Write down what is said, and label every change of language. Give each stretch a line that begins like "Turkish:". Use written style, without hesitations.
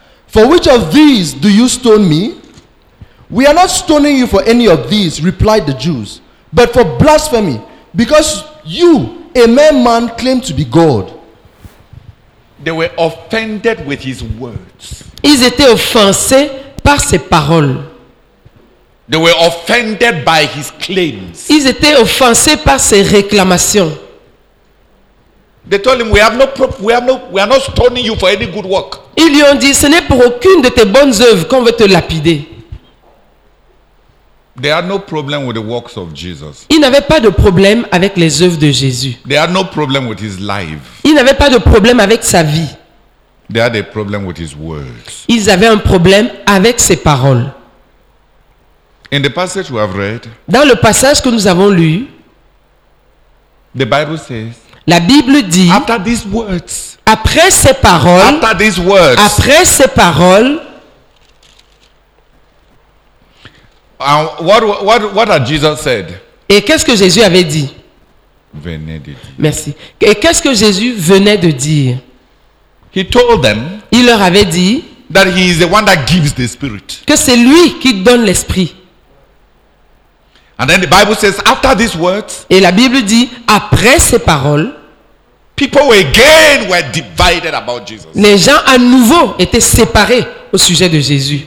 English: For which of these do you stone me? We are not stoning you for any of these, replied the Jews, but for blasphemy, because you, a mere man, claim to be God. They were offended with his words.
French: Ils étaient offensés par ses paroles.
English: They were offended by his claims.
French: Ils étaient offensés par ses réclamations.
English: They told him, we are not stoning you for any good work.
French: Ils lui ont dit, ce n'est pour aucune de tes bonnes œuvres qu'on veut te lapider.
English: They had no problem with the works of Jesus.
French: Ils n'avaient pas de problème avec les œuvres de Jésus.
English: They had no problem with his life.
French: Ils n'avaient pas de problème avec sa vie.
English: They had a problem with his words.
French: Ils avaient un problème avec ses paroles.
English: In the passage we have read,
French: dans le passage que nous avons lu,
English: the Bible says,
French: la Bible dit,
English: after these words,
French: après ces paroles,
English: after these words,
French: après ces paroles,
English: What had Jesus said?
French: Et qu'est-ce que Jésus avait dit? Venait de dire. Merci. Et qu'est-ce que Jésus venait de dire?
English: He told them.
French: Il leur avait dit.
English: That he is the one that gives the Spirit.
French: Que c'est lui qui donne l'esprit.
English: And then the Bible says, after these words.
French: Et la Bible dit après ces paroles.
English: People again were divided about Jesus.
French: Les gens à nouveau étaient séparés au sujet de Jésus.